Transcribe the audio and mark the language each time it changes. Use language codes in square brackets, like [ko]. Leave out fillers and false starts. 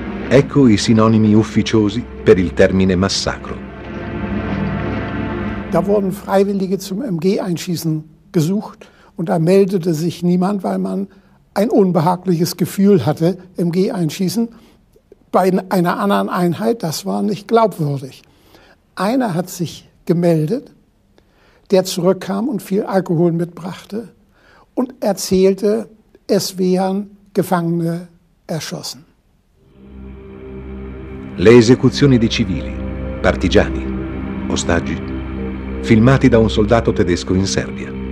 [it] Ecco i sinonimi ufficiosi per il termine massacro. [de] Da wurden Freiwillige zum MG-Einschießen gesucht und da meldete sich niemand, weil man ein unbehagliches Gefühl hatte, MG-Einschießen bei einer anderen Einheit, das war nicht glaubwürdig. Einer hat sich gemeldet, der zurückkam und viel Alkohol mitbrachte und erzählte, es wären Gefangene erschossen. [it] Le esecuzioni di civili, partigiani, ostaggi, filmati da un soldato tedesco in Serbia.